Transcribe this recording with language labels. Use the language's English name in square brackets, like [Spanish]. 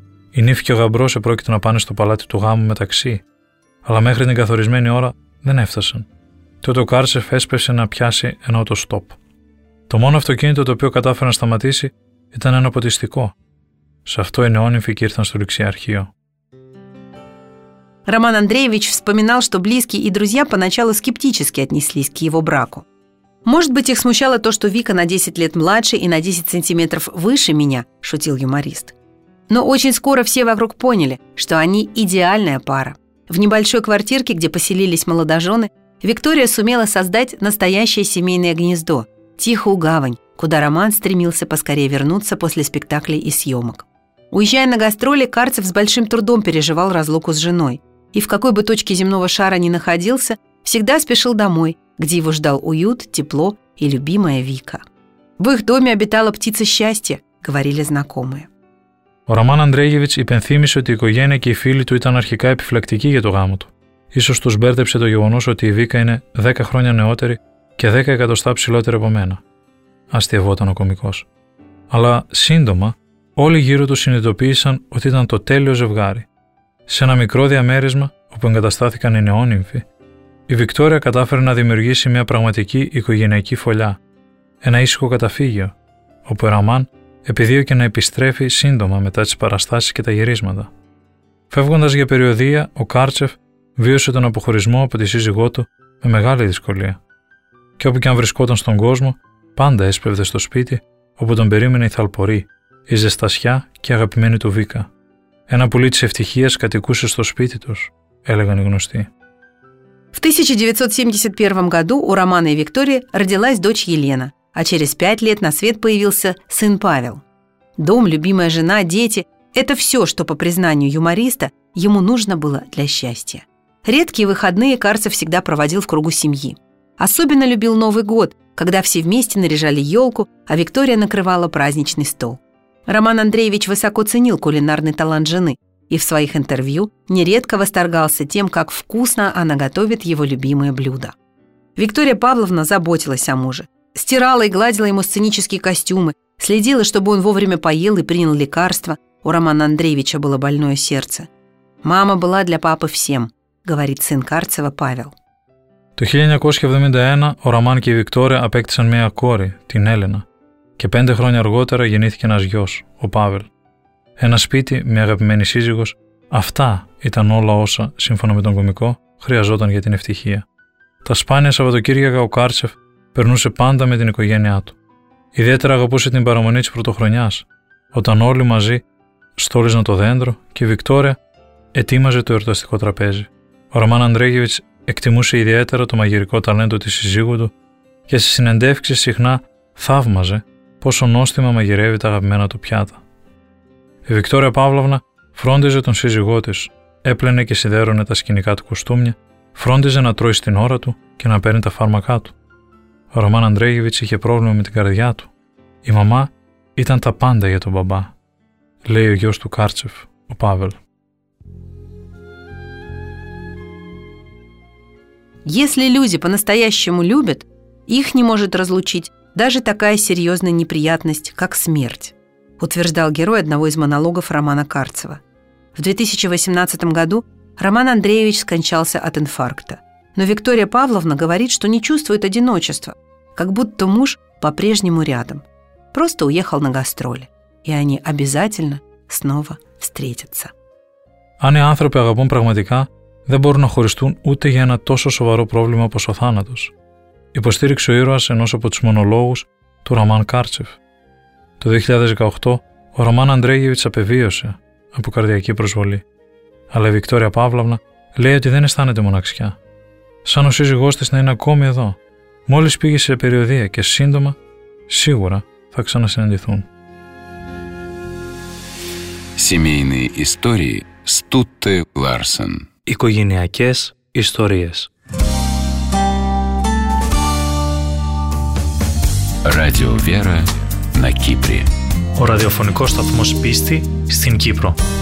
[Greek] Η νύφη και ο γαμπρός επρόκειτο να πάνε στο παλάτι του γάμου μεταξύ, αλλά μέχρι την καθορισμένη ώρα δεν έφτασαν. Τότε ο Κάρτσεφ έσπευσε να πιάσει ένα οτοστόπ. Το μόνο αυτοκίνητο το οποίο κατάφερε να σταματήσει ήταν ένα ποτιστικό. Σε αυτό οι νεόνυμφοι και ήρθαν στο ληξιαρχείο. [Russian] Роман Андреевич вспоминал, что близкие и друзья поначалу скептически отнеслись к его браку. «Может быть, их смущало то, что Вика на 10 лет младше и на 10 сантиметров выше меня», – шутил юморист. Но очень скоро все вокруг поняли, что они идеальная пара. В небольшой квартирке, где поселились молодожены, Виктория сумела создать настоящее семейное гнездо – тихую гавань, куда Роман стремился поскорее вернуться после спектаклей и съемок. Уезжая на гастроли, Карцев с большим трудом переживал разлуку с женой. И в какой бы точке земного шара ни находился, всегда спешил домой, где его ждал уют, тепло и любимая Вика. «В их доме обитала птица счастья», — говорили знакомые. [Greek] Ο Роман Андреевич υπενθύμισε, ότι η οικογένεια και οι φίλοι του ήταν αρχικά επιφυλακτικοί για το γάμο του. Ίσως τους μπέρδεψε το γεγονός ότι η Βίκα είναι 10 χρόνια νεότερη και 10 εκατοστά ψηλότερη από μένα. Αστειευόταν ο κωμικός. Αλλά σύντομα όλοι γύρω του συνειδητοποίησαν ότι ήταν το τέλειο ζευγάρι. Σε ένα μικρό διαμέρισμα όπου εγκαταστάθηκαν οι νεόνυμφοι, η Βικτόρια κατάφερε να δημιουργήσει μια πραγματική οικογενειακή φωλιά, ένα ήσυχο καταφύγιο, όπου ο Ραμάν επιδίωκε να επιστρέφει σύντομα μετά τις παραστάσεις και τα γυρίσματα. Φεύγοντας για περιοδεία, ο Κάρτσεφ βίωσε τον αποχωρισμό από τη σύζυγό του με μεγάλη δυσκολία. Και όπου και αν βρισκόταν στον κόσμο, πάντα έσπευδε στο σπίτι όπου τον περίμενε η θαλπορή, η ζεστασιά και η αγαπημένη του Βίκα. Ένα πουλί της ευτυχίας κατοικούσε στο σπίτι τους, έλεγαν οι γνωστοί. [Russian] В 1971 году у Романа и Виктории родилась дочь Елена, а через 5 лет на свет появился сын Павел. Дом, любимая жена, дети – это все, что, по признанию юмориста, ему нужно было для счастья. Редкие выходные Карцев всегда проводил в кругу семьи. Особенно любил Новый год, когда все вместе наряжали елку, а Виктория накрывала праздничный стол. Роман Андреевич высоко ценил кулинарный талант жены и в своих интервью нередко восторгался тем, как вкусно она готовит его любимые блюда. Виктория Павловна заботилась о муже, стирала и гладила ему сценические костюмы, следила, чтобы он вовремя поел и принял лекарства. У Романа Андреевича было больное сердце. «Мама была для папы всем», — говорит сын Карцева Павел. [Greek] Το 1971 ο Ραμάν και η Βικτόρια απέκτησαν μία κόρη, την Έλενα, και 5 χρόνια αργότερα γεννήθηκε ένας γιος, ο Πάβελ. Ένα σπίτι, μια αγαπημένη σύζυγος, αυτά ήταν όλα όσα, σύμφωνα με τον κωμικό, χρειαζόταν για την ευτυχία. Τα σπάνια Σαββατοκύριακα ο Κάρτσεφ περνούσε πάντα με την οικογένειά του. Ιδιαίτερα αγαπούσε την παραμονή της πρωτοχρονιάς, όταν όλοι μαζί στόλιζαν το δέντρο και η Βικτόρια ετοίμαζε το εορταστικό τραπέζι. Ο Ραμάν Αντρέγεβιτς εκτιμούσε ιδιαίτερα το μαγειρικό ταλέντο της σύζυγου του και στις συνεντεύξεις συχνά θαύμαζε πόσο νόστιμα μαγειρεύει τα αγαπημένα του πιάτα. Η Βικτόρια Παύλαυνα φρόντιζε τον σύζυγό της, έπλαινε και σιδέρωνε τα σκηνικά του κουστούμια, φρόντιζε να τρώει στην ώρα του και να παίρνει τα φάρμακά του. Ο Ραμάν Αντρέγεβιτς είχε πρόβλημα με την καρδιά του. Η μαμά ήταν τα πάντα για τον μπαμπά, λέει ο γιος του Κάρτσεφ, ο Πάβελ. [Russian] Если люди по-настоящему любят, их не может разлучить даже такая серьезная неприятность, как смерть, утверждал герой одного из монологов Романа Карцева. В 2018 году Роман Андреевич скончался от инфаркта. Но Виктория Павловна говорит, что не чувствует одиночества, как будто муж по-прежнему рядом. Просто уехал на гастроли. И они обязательно снова встретятся. Они [Greek] άνθρωποι αγαπούν πραγματικά, δεν μπορούν να χωριστούν ούτε για ένα τόσο σοβαρό πρόβλημα όπως ο θάνατος, υποστήριξε ο ήρωας ενός από τους μονολόγους του Ραμάν Κάρτσεφ. Το 2018 ο Ραμάν Αντρέγεβιτς απεβίωσε από καρδιακή προσβολή, αλλά η Βικτόρια Παύλαυνα λέει ότι δεν αισθάνεται μοναξιά, σαν ο σύζυγός της να είναι ακόμη εδώ, μόλις πήγε σε περιοδεία και σύντομα, σίγουρα θα ξανασυναντηθούν. [Russian] Семейные истории Стутте Ларсен. [Greek] Οικογενειακές ιστορίες. [Russian] Radio Vera na Kypri. [Greek] Ο ραδιοφωνικός σταθμός πίστη στην Κύπρο.